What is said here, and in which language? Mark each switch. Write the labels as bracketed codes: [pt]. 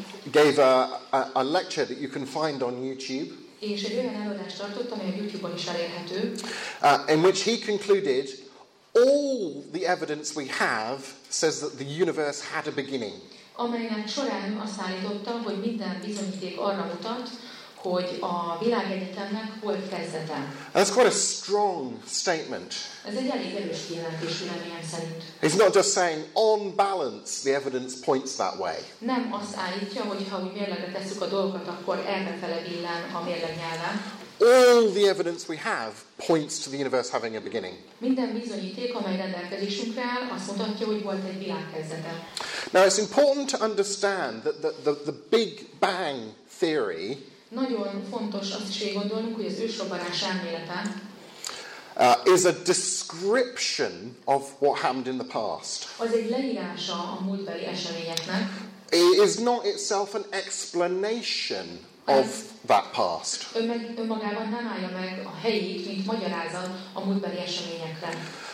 [en] Gave a lecture that you can find on YouTube. [hu] És egy olyan előadást tartott, ami a YouTube-on is elérhető. [en] In which he concluded, all the evidence we have says that the universe had a beginning. [hu] Amelynek során azt állította, hogy minden bizonyíték arra mutat, hogy a világegyetemnek volt kezdete. [en] That's quite a strong statement. [hu] Ez egy elég erős kijelentés véleményem szerint. [en] It's not just saying, on balance, the evidence points that way. [hu] Nem azt állítja, hogy ha mi mérlegre tesszük a dolgokat, akkor errefele villám a mérleg nyelve. [en] All the evidence we have points to the universe having a beginning. [hu] Minden bizonyíték, amely rendelkezésünkre áll, azt mutatja, hogy volt egy világ kezdete. [en] Now it's important to understand that the Big Bang theory. [hu] Nagyon fontos azt is gondolnunk, hogy az ősrobbanás elmélete [en] is a description of what happened in the past. [hu] Az egy leírása a múltbeli eseményeknek. [en] It is not itself an explanation of that past. [hu] Önmagában nem állja meg a helyét, mint magyarázat a múltbeli eseményekre.